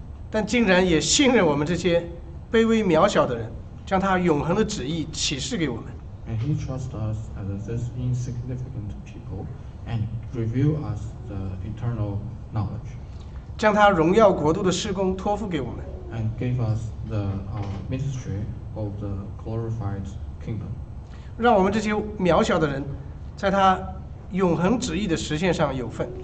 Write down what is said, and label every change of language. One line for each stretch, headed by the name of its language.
Chinese: 但竟然也信任我们这些。卑微渺小的人，将他永恒的旨意启示给我们。
English: And he trusts us as this insignificant people, and reveal us the eternal knowledge.
Chinese: 将他荣耀国度的事工托付给我们。
English: And gave us the ministry of the glorified kingdom.
Chinese: 让我们这些渺小的人，在他永恒旨意的实现上有份。